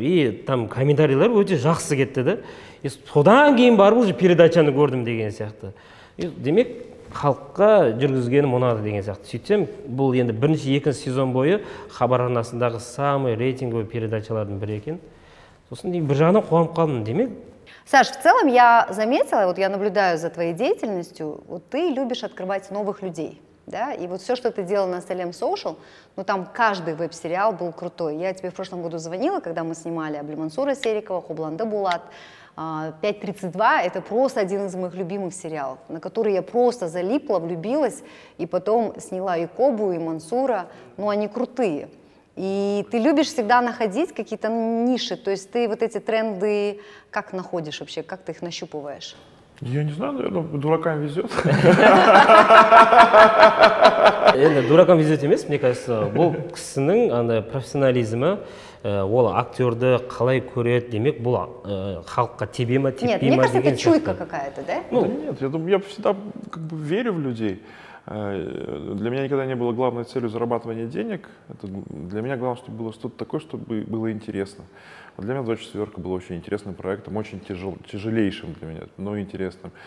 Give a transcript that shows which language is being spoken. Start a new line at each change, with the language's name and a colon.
Kazakh: И там комментарийлер өте жақсы кетті да. И содан кейін барып уже передачаны көрдім деген сияқты. И демек халыққа жүргізгенім ұнады деген сияқты. Сөйтсем, бұл енді бірінші екінші сезон бойы хабар арнасындағы самый рейтинговый передачалардың бірі екен. Сосын бір жағынан қуанып қалдым. Демек,
Russian: Саш, в целом я заметила, вот я наблюдаю за твоей деятельностью, вот ты любишь открывать новых людей, да, и вот все, что ты делал на Salem Social, ну там каждый веб-сериал был крутой. Я тебе в прошлом году звонила, когда мы снимали Аблимансура Серикова, Хубланда Булат, 5.32, это просто один из моих любимых сериалов, на который я просто залипла, влюбилась, и потом сняла и Кобу, и Мансура, ну они крутые. И ты любишь всегда находить какие-то ниши, то есть ты вот эти тренды как находишь вообще, как ты их нащупываешь? Я не знаю, наверное, дуракам везет. Дуракам везет, мне кажется,
Kazakh: бұл кісінің профессионализмі, ол актерді қалай көреді, демек бұл халыққа тебе ма, тебе ма деген.
Russian: Нет, мне кажется, это чуйка какая-то, да? Ну, нет, я думаю, я всегда как бы верю в людей. Для меня никогда не было главной целью зарабатывания денег. Это для меня главное, чтобы было что-то такое, чтобы было интересно. А для меня «24» было очень интересным проектом, очень тяжелейшим для меня, но интересным.